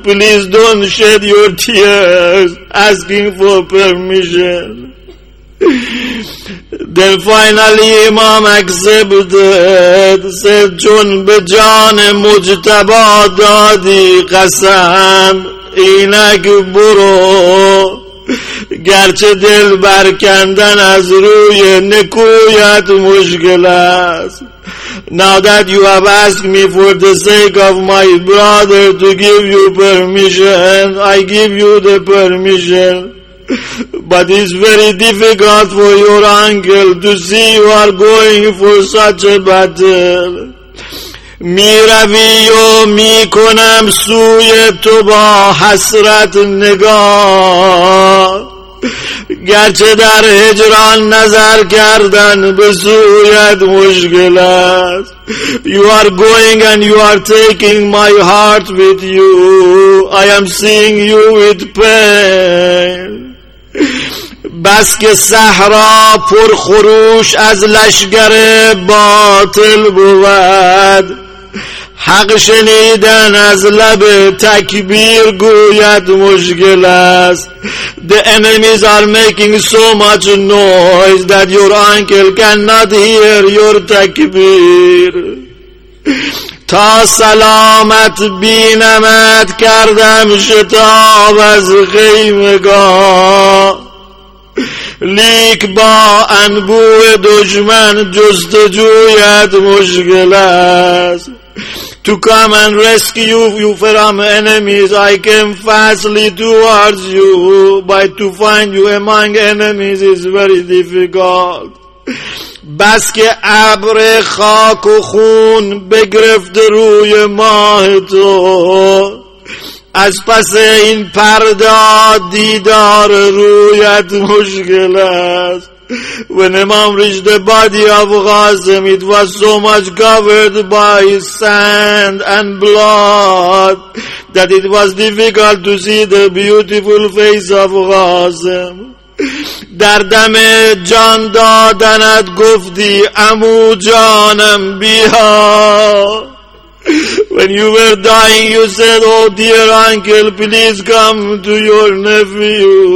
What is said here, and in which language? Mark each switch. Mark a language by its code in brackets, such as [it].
[en] Please don't shed your tears asking for permission. Then finally Imam accepted, said, [fa] چون به جان مجتبی دادی قسم، اینک برو، گرچه دل برکندن از روی نکویت مشکل است. [en] Now that you have asked me for the sake of my brother to give you permission, I give you the permission. But it's very difficult for your uncle to see you are going for such a battle. [fa] می روی و می کنم سوی تو با حسرت نگاه، گرچه در هجران نظر کردن به سویت مشکل است. [en] You are going and you are taking my heart with you. I am seeing you with pain. [fa] بس که صحرا پر خروش از لشگر باطل بود، حق شنیدن از لب تکبیر گوید مشکل است. [en] The enemies are making so much noise that your uncle cannot hear your تکبیر. [fa] تا سلامت بینمت کردم شتاب از خیمگاه، لیک با انبوه دشمن جستجویت مشکل است. [en] to come and rescue you from enemies. I came fastly towards you, but to find you among enemies is very difficult. [fa] بس که ابر خاک و خون بگرفت روی ماه تو، از پس این پرده دیدار رویت مشکل است. [en] When Imam reached the body of Ghazim, it was so much covered by sand and blood that it was difficult to see the beautiful face of Ghazim. [fa] در دم جان دادنت گفتی عمو جانم بیا. [en] When you were dying you said, oh dear uncle, please come to your nephew.